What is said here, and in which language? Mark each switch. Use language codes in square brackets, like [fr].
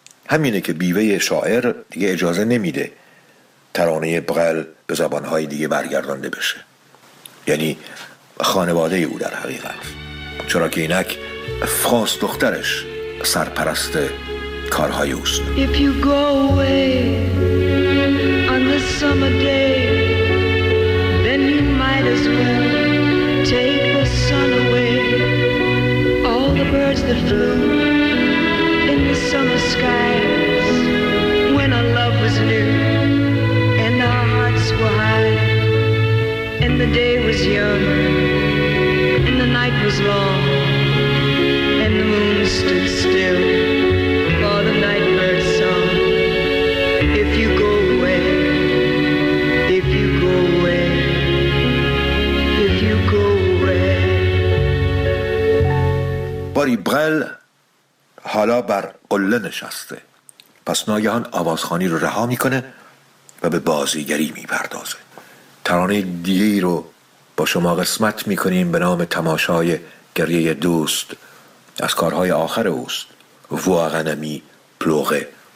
[fa] همینه که بیوه شاعر دیگه اجازه نمیده ترانه برل به زبان‌های دیگه برگردانده بشه. یعنی خانواده او در حقیقت. چرا که اینک فرانس دخترش سرپرست کارهای اوست. [en] If you go away on the summer day, then you might as well take the sun away. All the birds that flew in the summer skies, when our love was new and our hearts were high, and the day was young and the night was long and the moon stood still for the nightbird's song. If you go away, if you go away, if you go away. [fa] Body Brel حالا بر قله نشسته، پس ناگهان آوازخوانی رو رها میکنه و به بازیگری میپردازه. ترانه دیگه رو با شما قسمت میکنیم به نام تماشای گریه دوست، از کارهای آخر اوست، واغنمی پلوغه.